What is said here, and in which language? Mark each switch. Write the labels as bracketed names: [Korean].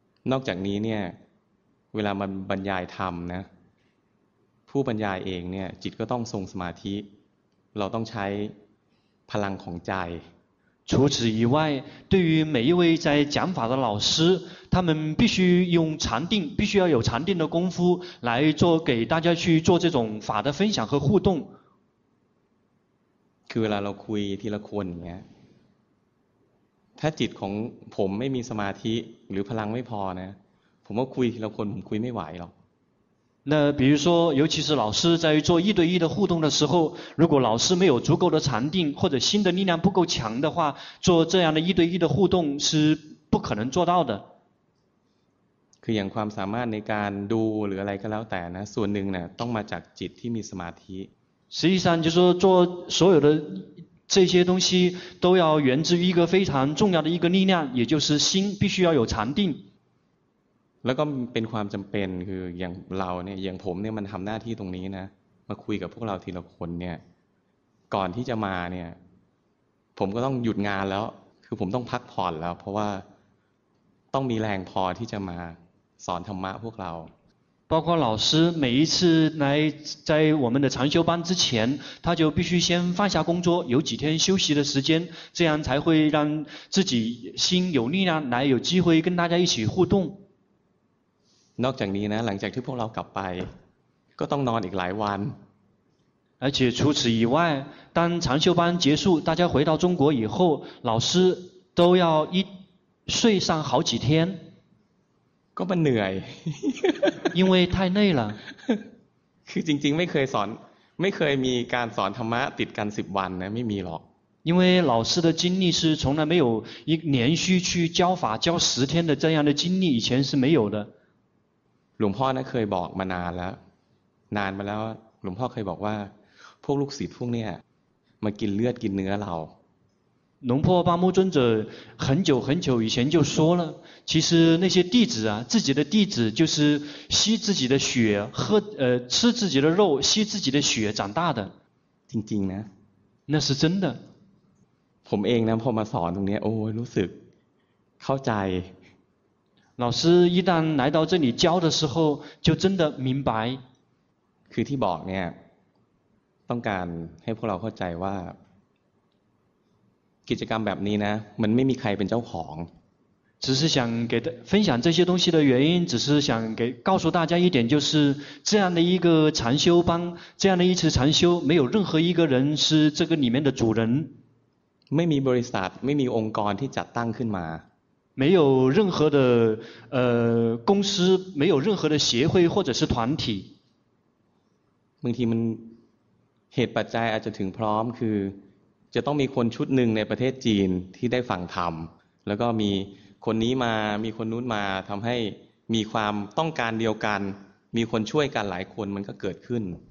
[Thai] นอกจากนี้เนี่ยเวลามันบรรยายธรรมนะผู้บรรยายเองเนี่ยจิตก็ต้องทรงสมาธิเราต้องใช้พลังของใจ [Chinese] 除此以外对于每一位在讲法的老师他们必须用禅定必须要有禅定的功夫来做给大家去做这种法的分享和互动 [Thai] คือเวลาเราคุยทีละคนเนี่ยถ้าจิตของผมไม่มีสมาธิหรือพลังไม่พอนะผมก็คุยทีละคนผมคุยไม่ไหวหรอก [Chinese] 那比如说尤其是老师在做一对一的互动的时候如果老师没有足够的禅定或者心的力量不够强的话做这样的一对一的互动是不可能做到的 [Thai] คืออย่างความสามารถในการดูหรืออะไรก็แล้วแต่นะส่วนหนึ่งเนี่ยต้องมาจากจิตที่มีสมาธิ [Chinese] 实际上就是说做所有的这些东西都要源自于一个非常重要的一个力量也就是心必须要有禅定 [Thai] แล้วก็เป็นความจำเป็นคืออย่างเราเนี่ยอย่างผมเนี่ยมันทำหน้าที่ตรงนี้นะมาคุยกับพวกเราทีละคนเนี่ยก่อนที่จะมาเนี่ยผมก็ต้องหยุดงานแล้วคือผมต้องพักผ่อนแล้วเพราะว่าต้องมีแรงพอที่จะมาสอนธรรมะพวกเรา [Chinese] 包括老师每一次来在我们的禅修班之前他就必须先放下工作有几天休息的时间这样才会让自己心有力量来有机会跟大家一起互动 [Thai] นอกจากนี้นะหลังจากที่พวกเรากลับไปก็ต้องนอนอีกหลายวัน [Chinese] 而且除此以外当禅修班结束大家回到中国以后老师都要一睡上好几天 [Thai] ก็มันเหนื่อย [Chinese] 因为太累了 [Thai] คือจริงๆไม่เคยสอนไม่เคยมีการสอนธรรมะติดกัน10วันนะไม่มีหรอก [Chinese] 因为老师的经历是从来没有一连续去教法教10天的这样的经历以前是没有的 [Thai] หลวงพ่อนะเคยบอกมานานแล้วนานมาแล้วหลวงพ่อเคยบอกว่าพวกลูกศิษย์พวกเนี้ยมากินเลือดกินเนื้อเรา [Chinese] หลวงพ่อปามุจจ์เจอ很久很久以前就说了其实那些弟子啊自己的弟子就是吸自己的血喝吃自己的肉吸自己的血长大的 [Thai] จริงๆนะ [Chinese] 那是真的 [Thai] ผมเองนะพอมาสอนตรงเนี้ยโอ้รู้สึกเข้าใจ [Chinese] 老师一旦来到这里教的时候就真的明白 [Thai] คือที่บอกเนี่ยต้องการให้พวกเราเข้าใจว่ากิจกรรมแบบนี้นะมันไม่มีใครเป็นเจ้าของ [Chinese] 只是想给分享这些东西的原因只是想给告诉大家一点就是这样的一个禅修班这样的一次禅修没有任何一个人是这个里面的主人 [Thai] ไม่มีบริษัทไม่มีองค์กรที่จัดตั้งขึ้นมา ไม่ [Chinese] 有任何的公司没有任何的协会或者是团体 [Thai] บางทีมันเหตุปัจจัยอาจจะถึงพร้อมคือ จะต้องมีคนชุดหนึ่งในประเทศจีนที่ได้ฟังธรรมแล้วก็มีคนนี้มามีคนนู้นมาทำให้มีความต้องการเดียวกันมีคนช่วยกันหลายคนมันก็เกิดขึ้น